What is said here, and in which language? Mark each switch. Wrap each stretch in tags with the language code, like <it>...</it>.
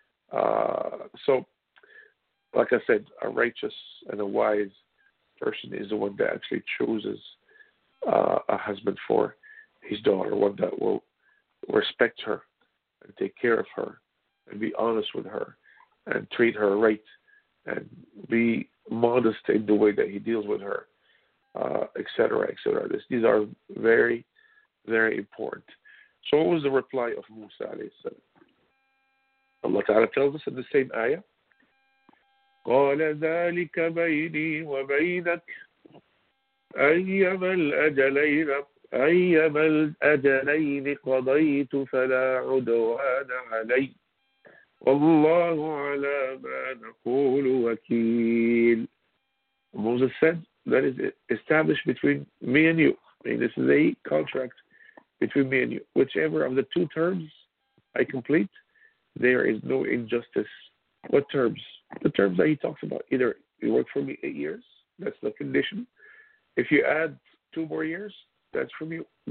<en>So, like I said, a righteous and a wise person is the one that actually chooses a husband for his daughter, one that will respect her and take care of her and be honest with her and treat her right and be modest in the way that he deals with her, etc. These are very, very important. So what was the reply of Musa alayhi salam? Allah Ta'ala tells us in the same ayah,</en> <ar>قَالَ ذَلِكَ بَيْنِي وَبَيْنَكَ أيما الأجلين قضيت فلا عدوان علي والله على ما نقول وكيل.</ar> <en>Moses said, that is established between me and you. I mean, this is a contract between me and you. Whichever of the two terms I complete, there is no injustice. What terms? The terms that he talks about. Either you work for me 8 years, that's the condition. If you add 2 more years, that's from you.</en>